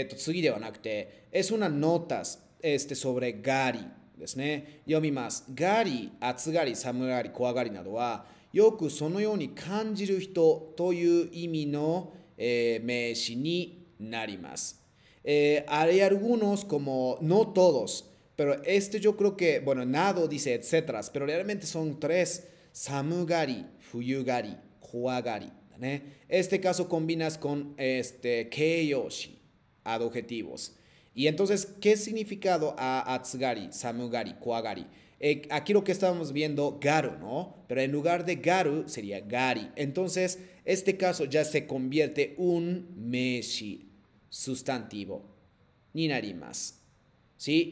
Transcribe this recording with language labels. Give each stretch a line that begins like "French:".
Japanese: 次ではなくて、
Spanish: es una nota sobre Gary ですね。
Japanese: 読みます。 Gary、暑がり、寒がり、怖がりなどは、よくそのように感じる人という意味の、名詞になります。
Spanish: Hay algunos como, no todos, pero yo creo que, bueno, nado dice, etc. Pero realmente son tres,
Japanese: 寒がり、冬がり、怖がり。
Spanish: ね、este caso combinas con este 形容詞 adjetivos. Y entonces, ¿qué significado a atsugari, samugari, kuagari? Aquí lo que estábamos viendo, garu, ¿no? Pero en lugar de garu, sería gari. Entonces, este caso ya se convierte un meshi, sustantivo. Ni narimasu. ¿Sí?